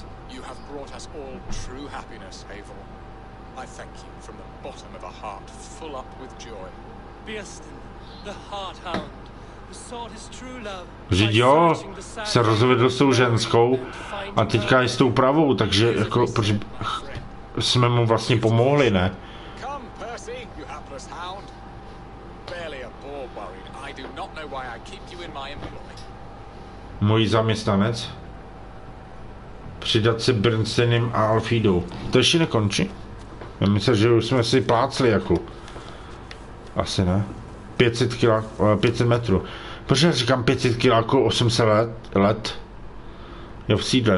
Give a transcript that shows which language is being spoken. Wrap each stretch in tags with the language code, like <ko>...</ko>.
<en>You have brought us all true happiness, Eivor. I thank you from the bottom of a heart full up with joy. Birsten, the heart hound, the sword is true love.</en> <cs>Vždyť jo, se rozvedl s tou ženskou a teďka je s tou pravou, takže jako, protože jsme mu vlastně pomohli, ne?</cs> <en>Come, Percy, you hapless hound. Barely a boar worried. I do not know why I keep you in my employ.</en> <cs>Můj zaměstnanec. přidat se Bernsteinem a Alfídou. To ještě nekončí? Já myslím, že už jsme si plácli jako. Asi ne. 500 kilo, 500 metrů. Proč já říkám 500 kilo jako 800 let? Jo, v sídle.</cs>